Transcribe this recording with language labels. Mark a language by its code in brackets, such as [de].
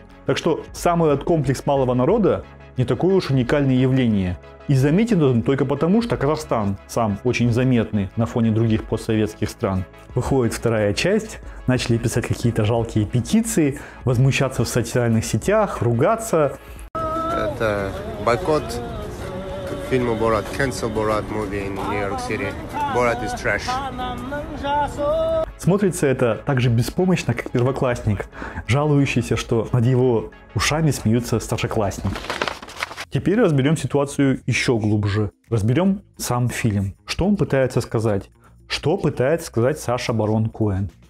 [ru] Так что сам этот комплекс малого народа не такое уж уникальное явление. И заметен он только потому, что Казахстан сам очень заметный на фоне других постсоветских стран. Выходит вторая часть, начали писать какие-то жалкие петиции, возмущаться в социальных сетях, ругаться. Это бойкот фильма «Бурат», [en] cancel «Бурат» movie in New York City. «Бурат» is trash. [ru] Смотрится это так же беспомощно, как первоклассник, жалующийся, что над его ушами смеются старшеклассники. Теперь разберем ситуацию еще глубже. Разберем сам фильм. Что он пытается сказать? Что пытается сказать Саша Барон Коэн?